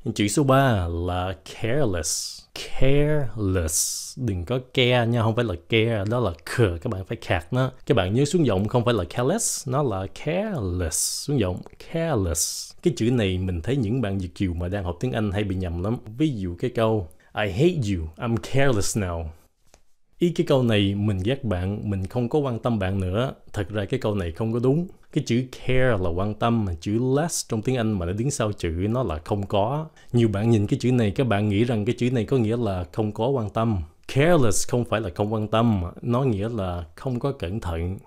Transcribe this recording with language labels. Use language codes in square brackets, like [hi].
[vi] Chữ số 3 là careless. Careless. Đừng có care nha, không phải là care, đó là khờ, các bạn phải khạc nó. Các bạn nhớ xuống giọng không phải là careless, nó là careless. Xuống giọng, careless. Cái chữ này mình thấy những bạn Việt kiều mà đang học tiếng Anh hay bị nhầm lắm. Ví dụ cái câu, [en] I hate you, I'm careless now. [vi] Ý cái câu này mình ghét bạn, mình không có quan tâm bạn nữa. Thật ra cái câu này không có đúng. Cái chữ care là quan tâm, chữ less trong tiếng Anh mà nó đứng sau chữ nó là không có. Nhiều bạn nhìn cái chữ này các bạn nghĩ rằng cái chữ này có nghĩa là không có quan tâm. Careless không phải là không quan tâm, nó nghĩa là không có cẩn thận.